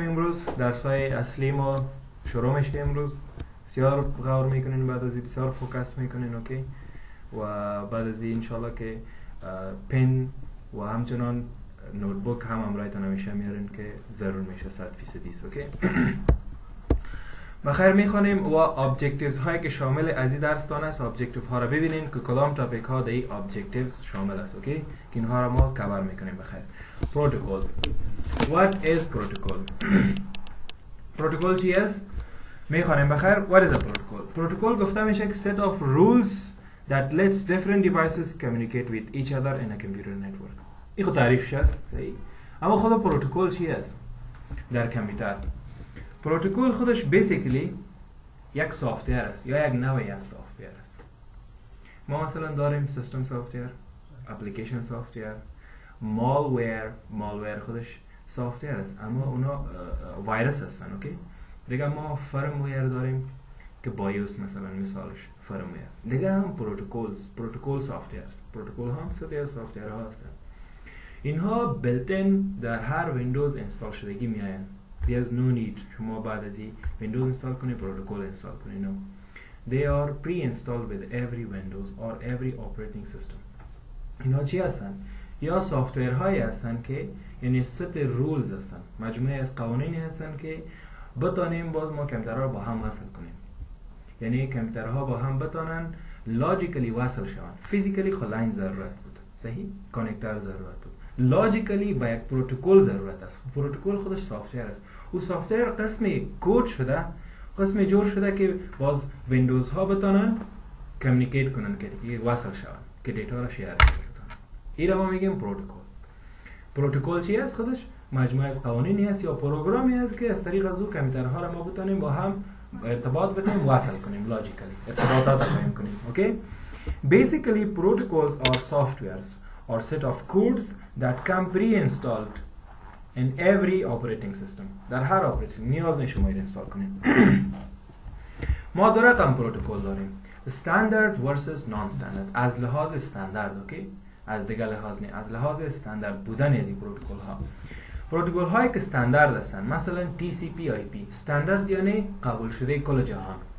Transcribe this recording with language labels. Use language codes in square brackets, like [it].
[fa] امروز درس های اصلی ما شروع میشه. امروز بسیار غور میکنین، بعد از این بسیار فوکس میکنین، اوکی؟ و بعد از این انشاءالله که پن و همچنان نوت بک هم همراهتان همیشه میارین که ضرور میشه 100%، اوکی؟ ما خیر میخونیم و ابجکتیوز هایی که شامل از این درس تان است، ابجکتیو ها را ببینین که کدام تاپیک ها دی ابجکتیوز شامل است، اوکی؟ که اینها را ما کاور میکنیم. بخیر، پروتکل. [en] What is protocol؟ [fa] پروتکل چی است؟ میخونیم. بخیر، [en] what is a protocol؟ [fa] پروتکل گفته میشه که [en] set of rules that lets different devices communicate with each other in a computer network. [fa] این خود تعریفش است، صحیح؟ اما خود پروتکل چی است؟ در کامپیوتر پروتکل خودش بسیکلی یک سافت‌ویر است یا یک نوعی از سافت‌ویر است. ما مثلا داریم سیستم سافت‌ویر، اپلیکیشن سافت‌ویر، مالویر. مالویر خودش سافت‌ویر است اما اونا ویروس هستن، اوکی؟ دیگه ما فرم‌ویر داریم که بایوس مثلا مثالش فرم‌ویر. دیگه هم پروتکلز، پروتکل سافت‌ویر، پروتکل هم سافت‌ویر سافت‌ویر هستن. اینها بلتن در هر ویندوز انستال شدگی میاین. [en] There is no need. [fa] شما بعد از این ویندوز انستال کنی، پروتکل انستال کنی. [en] No. They are pre-installed with every Windows or every operating system. [fa] اینا چی هستن؟ یا سافتویر هایی هستن که یعنی ست رولز هستن. مجموعه از قوانینی هستن که بتانیم باز ما کمپیوترها با هم وصل کنیم. یعنی کمپیوترها با هم بتانن لاجیکلی وصل شوند. فیزیکلی خود لاین ضرورت بود. صحیح؟ کانکتر ضرورت بود. لاجیکلی با یک پروتکل ضرورت است. پروتکل خودش سافت‌ویر است. او سافت‌ویر قسمی کد شده، قسمی جور شده که باز ویندوز ها بتانن کمیونیکیت کنن، که وصل شون، که دیتا را شیر کنن. این ما میگیم پروتکل. پروتکل چی است؟ خودش مجموعه از قوانینی است یا پروگرامی است که از طریق از او کمپیوترها را ما بتانیم با هم ارتباط بدیم، وصل کنیم لاجیکلی، ارتباطات را قائم کنیم. [en] Okay? Basically protocols are softwares or set of codes that come pre-installed in every operating system. [fa] در هر operating نیاز نیست شما این install کنید. ما دو رقم پروتکل داریم، [en] standard versus non-standard. [fa] از لحاظ استاندارد، اوکی؟ از دیگر لحاظ نه، از لحاظ استاندارد بودن از این پروتکل ها. پروتکل هایی که استاندارد هستن مثلا TCP/IP، استاندارد یعنی قبول شده کل جهان.